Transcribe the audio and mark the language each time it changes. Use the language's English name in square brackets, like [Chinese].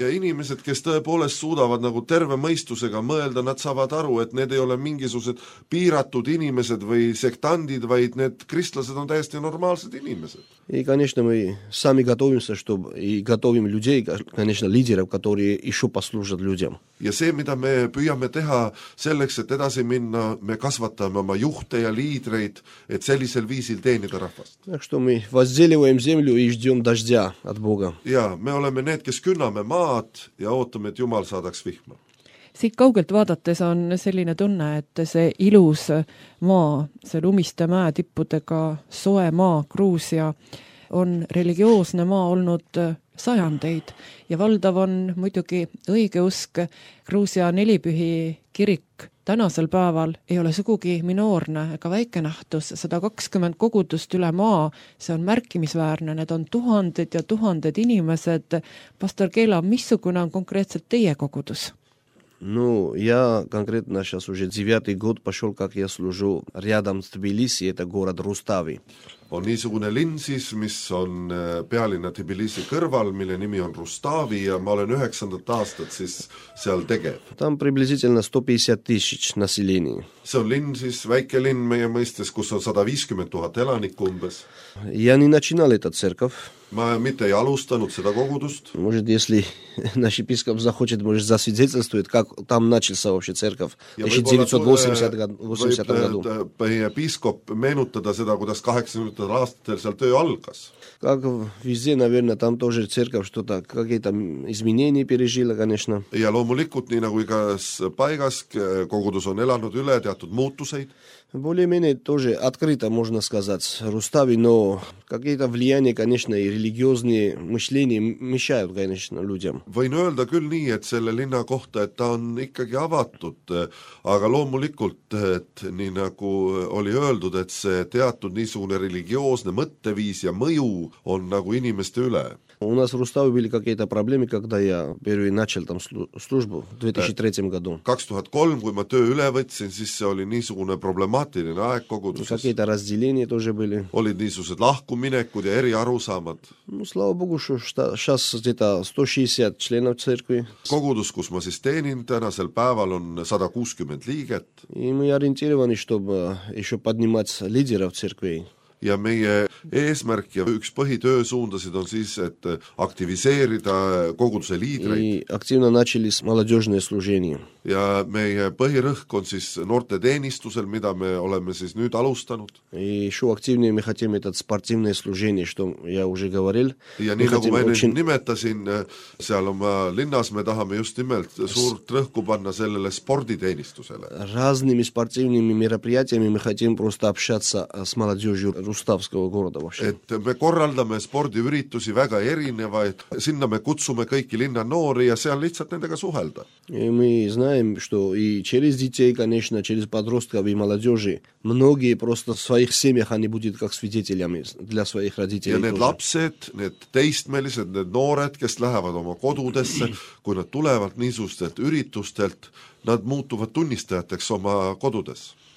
[Estonian] Ja inimesed, kes tõepoolest suudavad nagu terve mõistusega mõelda, nad saavad aru, et need ei ole mingisugused piiratud inimesed või sektandid, vaid need kristlased on täiesti normaalsed inimesed. [Russian] И, конечно, мы сами готовимся, чтобы и готовим людей, конечно, лидеров, которые еще послужат людям. [Estonian] Ja see, mida me püüame teha selleks, et edasi minna, me kasvatame oma juhte ja liidreid, et sellisel viisil teenida rahvast. [Russian] Так что мы возделиваем землю и ждем дождя от Бога. [Estonian] Ja, me oleme need, kes künname maad ja ootame, et Jumal saadaks vihma. Siit kaugelt vaadates on selline tunne, et see ilus maa, see lumiste mäe tippudega soe maa Gruusia on religioosne maa olnud sajandeid ja valdav on muidugi õige usk Gruusia nelipühi kirik. Tänasel päeval ei ole sugugi minoorne ega väike nähtus, 120 kogudust üle maa, see on märkimisväärne, need on tuhanded ja tuhanded inimesed. Pastor Keela, missugune on konkreetselt teie kogudus? [Russian] Ну, я конкретно сейчас уже 9-й год пошел, как я служу рядом с Тбилиси, это город Рустави. [Estonian] On niisugune linn siis, mis on pealinna Тбилиси kõrval, mille nimi on Рустави, ja ma olen 9. aastat siis seal tegev. [Russian] Там приблизительно 150 тысяч населения. [Estonian] See on linn siis, väike linn meie mõistes, kus on 150 000 elanik umbes. Ja nii [Russian] начинал эта церковь. [Estonian] Ma mitte ei alustanud seda kogudust. [Russian] Может, если наш епископ захочет, может, засвидетельствует, как там начался вообще церковь в 1980 году. [Estonian] Võib епископ meenutada seda, kuidas 80-tel aastatel seal töö algas. [Russian] Как везде, наверное, там тоже церковь что-то, какие-то изменения пережила, конечно. [Estonian] Ja loomulikult, nii nagu igas paigas, kogudus on elanud üle teatud muutuseid. [Russian] Более-менее тоже открыто, можно сказать, Рустави, но какие-то влияния, конечно, и религиозные мышления мешают, конечно, людям. [Estonian] Võin öelda küll nii, et selle linna kohta, et ta on ikkagi avatud, aga loomulikult, et nii nagu oli öeldud, et see teatud niisugune religioosne mõtteviis ja mõju on nagu inimeste üle. [Russian] У нас в Руставе были какие-то проблемы, когда я первый начал там службу в 2003 году. [Estonian] 2003, kui ma töö üle võtsin, siis see oli niisugune problemaatiline aeg koguduses. [Russian] Какие-то разделения тоже были. [Estonian] Olid niisugused lahkuminekud ja eri arusaamad. [Russian] Ну, слава Богу, что сейчас где-то 160 членов церкви. [Estonian] Kogudus, kus ma siis teenin, tänasel päeval on 160 liiget. [Russian] И мы ориентированы, чтобы еще поднимать лидеров церкви. [Estonian] ja meie eesmärk ja üks põhitöö suundasid on siis, et aktiviseerida koguduse liidreid. [Russian] Aktiivna начались молодежное служение. [Estonian] Ja meie põhirõhk on siis noorte teenistusel, mida me oleme siis nüüd alustanud. [Russian] И еще активнее мы хотим это спортивное служение, что я уже говорил. [Estonian] Ja nii nagu ma enne nimetasin, seal oma linnas me tahame just nimelt suurt rõhku panna sellele sporditeenistusele. [Russian] Разными спортивными мероприятиями мы хотим просто общаться с молодежью Руставского города вообще. [Estonian] Et me korraldame spordiüritusi väga erinevaid, sinna me kutsume kõiki linna noori ja seal lihtsalt nendega suhelda. [Russian] Знаем, что и через детей, конечно, через подростков и молодежи, многие просто в своих семьях они будут как свидетелями для своих родителей. [Estonian] Ja need lapsed, need teistmelised, need noored, kes lähevad oma kodudesse, kui nad tulevad niisugustelt üritustelt, nad muutuvad tunnistajateks oma kodudes.